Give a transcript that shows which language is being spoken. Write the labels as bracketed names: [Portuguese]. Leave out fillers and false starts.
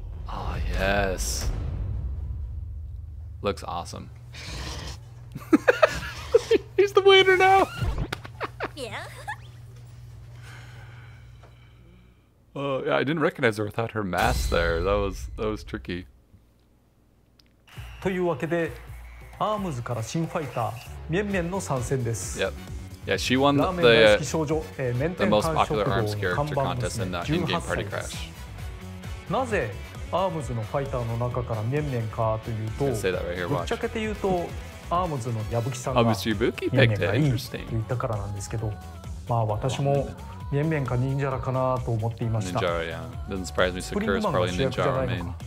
[English] Oh, yes. Looks awesome. He's the winner now! Yeah. Oh, yeah, I didn't recognize her without her mask there. That was tricky. [Japanese] というわけで、アームズから新ファイター、ミェンミェンの参戦です。 [English] Yep. Yeah, she won the most popular arms character contest in the in-game party crash. [Japanese] なぜアームズのファイターの中からミェンミェンかというと、ぶっちゃけて言うと、アームズの矢吹さんがミェンミェンがいいと言ったからなんですけど、まあ私も、ミェンミェンかニンジャラかなと思っていました。 [English] ニンジャラ、yeah. Doesn't surprise me, Sakura is probably ninja or main.